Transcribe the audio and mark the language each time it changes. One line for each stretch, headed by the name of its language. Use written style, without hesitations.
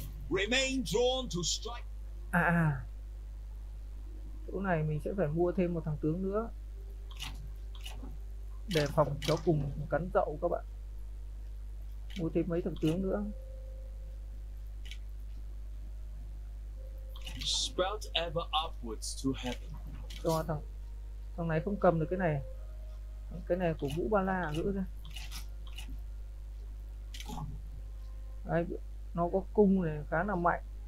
English: Remain drawn to strike.
Vietnamese: À, chỗ này mình sẽ phải mua thêm một thằng tướng nữa để phòng chó cùng cắn dậu các bạn. Mua thêm mấy thằng tướng nữa.
English: Sprout ever upwards to heaven.
Vietnamese: Cho thằng này không cầm được cái này. Cái này của Vũ Ba La giữ ra. Đấy, nó có cung này khá là mạnh.